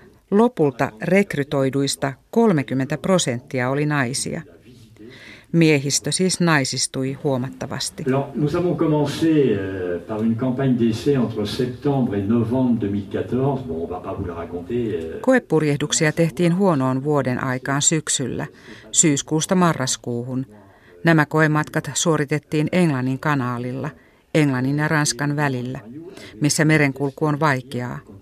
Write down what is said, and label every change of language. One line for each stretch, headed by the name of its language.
Finnish: Lopulta rekrytoiduista 30% oli naisia. Miehistö siis naisistui huomattavasti.
French: Nous avons commencé par une campagne d'essai entre septembre et novembre 2014. Bon, on va pas vous la raconter.
Finnish: Koepurjehduksia tehtiin huonoon vuoden aikaan syksyllä, syyskuusta marraskuuhun. Nämä koematkat suoritettiin Englannin kanaalilla, Englannin ja Ranskan välillä, missä merenkulku on vaikeaa.